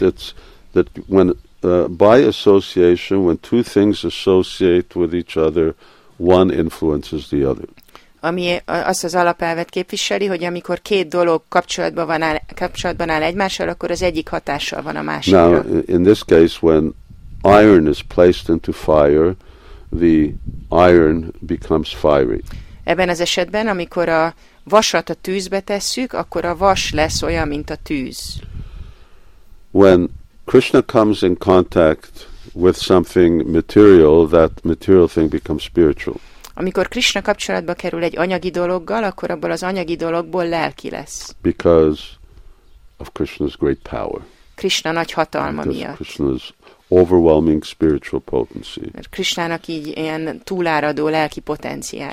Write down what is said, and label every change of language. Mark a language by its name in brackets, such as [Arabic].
[English] It's that when by association, when two things associate with each other, one influences the other. [Hungarian] Ami azt az alapelvet képviseli, hogy amikor két dolog kapcsolatban áll egymással, akkor az egyik hatással van a másikra. [English] Now, in this case, when iron is placed into fire, the iron becomes fiery. [Hungarian] Ebben az esetben, amikor a vasat a tűzbe tesszük, akkor a vas lesz olyan, mint a tűz. [English] When Krishna comes in contact with something material, that material thing becomes spiritual. [Hungarian] Amikor Krishna kapcsolatba kerül egy anyagi dologgal, akkor abból az anyagi dologból lelki lesz. [English] Because of Krishna's great power. [Hungarian] Krishna nagy hatalma [English] because [Hungarian] miatt. [English] Krishna's overwhelming spiritual potency. [Hungarian] Mert Krishnának így ilyen túláradó lelki potenciája.